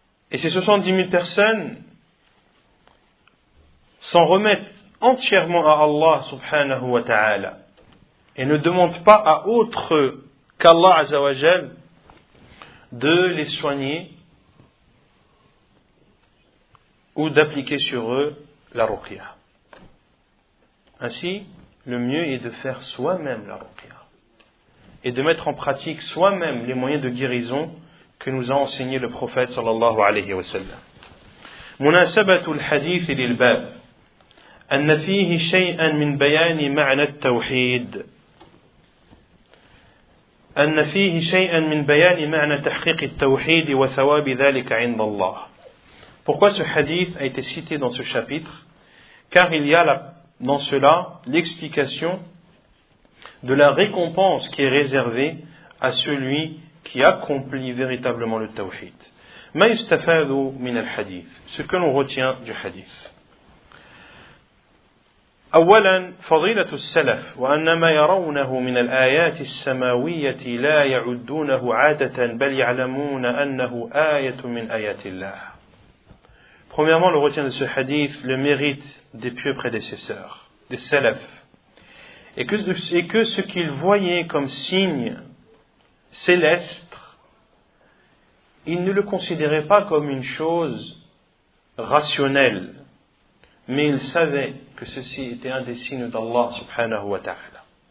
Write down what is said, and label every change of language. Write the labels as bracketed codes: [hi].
[fr] Et ces 70 000 personnes s'en remettent entièrement à Allah subhanahu wa ta'ala et ne demandent pas à autre qu'Allah azawajal de les soigner ou d'appliquer sur eux la ruqya. Ainsi, le mieux est de faire soi-même la ruqya et de mettre en pratique soi-même les moyens de guérison que nous a enseigné le prophète sallallahu alayhi wa sallam. [ar] Munasabatul hadith lil bab أن فيه شيئا من بيان معنى التوحيد أن فيه شيئا من بيان معنى تحقيق التوحيد وثواب ذلك عند الله. [fr] Pourquoi ce hadith a été cité dans ce chapitre? Car il y a dans cela l'explication de la récompense qui est réservée à celui qui accomplit véritablement le tawhid. [ar] ما يستفاد من الحديث. [fr] Ce que l'on retient du hadith. [ar] أولا فضيلة السلف وأنما يرونه من الآيات السماوية لا يعدونه عادة بل يعلمون أنه آية من آيات الله. [fr] Premièrement, le retien de ce hadith, le mérite des pieux prédécesseurs, des salaf, et que ce qu'ils voyaient comme signe céleste, ils ne le considéraient pas comme une chose rationnelle, mais ils savaient que ceci était un des signes d'Allah subhanahu wa ta'ala.